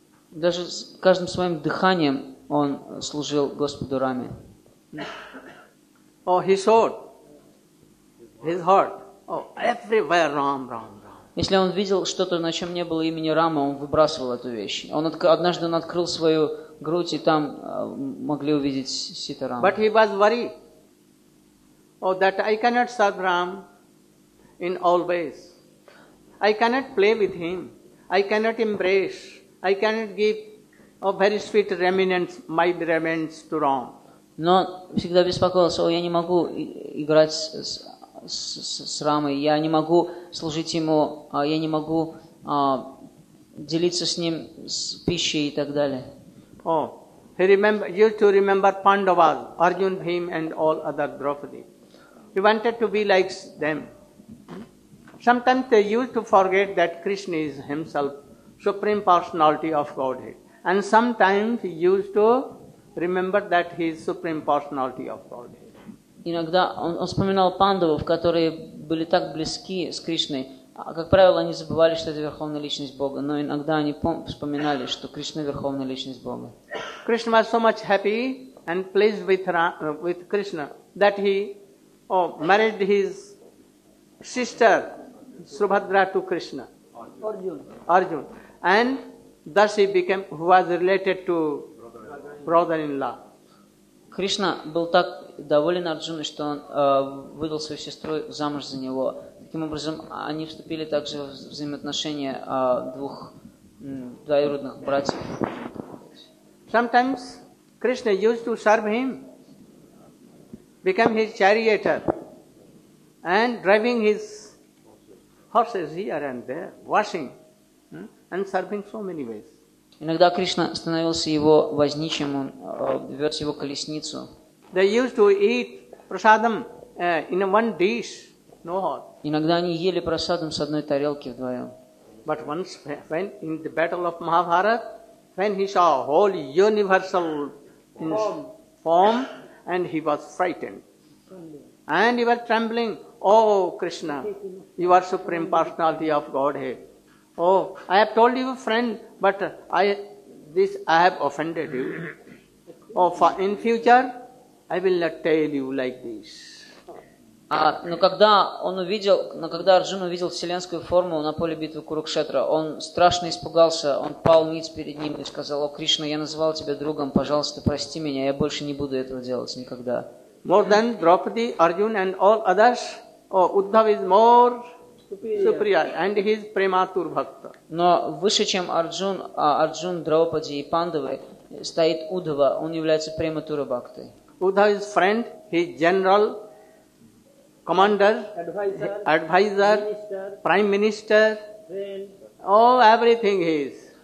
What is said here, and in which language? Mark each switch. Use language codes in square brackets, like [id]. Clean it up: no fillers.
[ru] Даже каждым своим дыханием он служил Господу Раме. [en] Oh, his sword, his heart. Oh, everywhere Ram, Ram, Ram. [ru] Если он видел что-то, на чем не было имени Рама, он выбрасывал эту вещь. Однажды он открыл свою грудь, и там могли увидеть Сита Рама. [en] But he was worried. Oh, that I cannot serve Ram in all ways. I cannot play with him. I cannot embrace. I cannot give a very sweet remnants, my remnants to Ram. [ru] Но всегда беспокоился, я не могу играть с Рамой. Я не могу служить ему. Я не могу делиться с ним с пищей и так далее. [en] Oh, he remember used to remember Pandavas, Arjun, Bhim, and all other Draupadi. He wanted to be like them. Sometimes they used to forget that Krishna is himself Supreme Personality of Godhead. And sometimes he used to remember that he is Supreme Personality of Godhead. [ru] Иногда он вспоминал пандавов, которые были так близки с Кришной. Как правило, они забывали, что это Верховная Личность Бога. Но иногда они вспоминали, что Кришна – Верховная Личность Бога. [en] Krishna was so much happy and pleased with Krishna that he married his sister Subhadra to Krishna. Arjun. And thus he became, who was related to brother-in-law. [ru] Krishna был так доволен Арджуной, что он выдал свою сестру замуж за него. Таким образом, они вступили также в взаимоотношения двух двоюродных братьев. [en] Sometimes Krishna used to serve him, become his charioteer, and driving his horses here and there, washing and serving so many ways. [ru] Иногда Кришна становился его возничим, он вез его колесницу. [en] They used to eat prasadam in one dish, no hot. [ru] Иногда они ели прасадам с одной тарелки вдвоем. [en] But once when in the battle of Mahabharata, when he saw whole universal form and he was frightened. And he was trembling. Oh, Krishna, you are Supreme Personality of Godhead. Oh, I have told you a friend, but I have offended you. in future I will not tell you like this. [ru] Но когда он увидел, но когда Арджун увидел вселенскую форму на поле битвы Курукшетра, он страшно испугался, он пал ниц перед ним и сказал: «О, Кришна, я называл тебя другом, пожалуйста, прости меня, я больше не буду этого делать никогда». [en] More than Draupadi, Arjun and all others, Uddhava is more superior and he is prematur bhakta. [ru] Но выше, чем Арджун, Арджун, Драупади и Пандавы, стоит Уддхава, он является прематура бхакты. [en] Uddhava is friend, he is general, commander, advisor, prime minister, everything he is.